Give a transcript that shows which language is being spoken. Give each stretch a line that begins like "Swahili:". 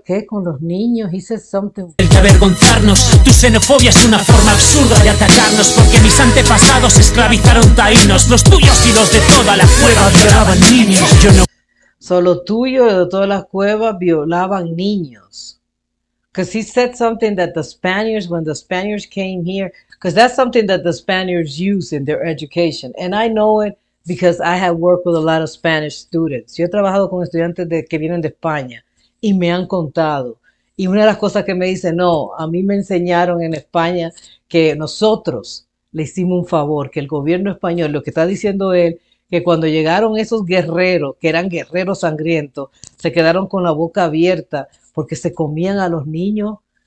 Spanish: ¿Qué con los niños? Hice something. El que avergonzarnos, tu xenofobia es una forma absurda de atacarnos, porque mis antepasados esclavizaron taínos, los tuyos y los de toda la cueva adoraban niños. Yo no. Solo tuyo y de todas las cuevas violaban niños.
English: Because he said something that the Spaniards, when the Spaniards came here, because that's something that the Spaniards use in their education. And I know it because I have worked with a lot of Spanish students.
Spanish: Yo he trabajado con estudiantes que vienen de España y me han contado. Y una de las cosas que me dicen, no, a mí me enseñaron en España que nosotros le hicimos un favor, que el gobierno español, lo que está diciendo él, que cuando llegaron esos guerreros, que eran guerreros sangrientos, se quedaron con la boca abierta porque se comían a los niños.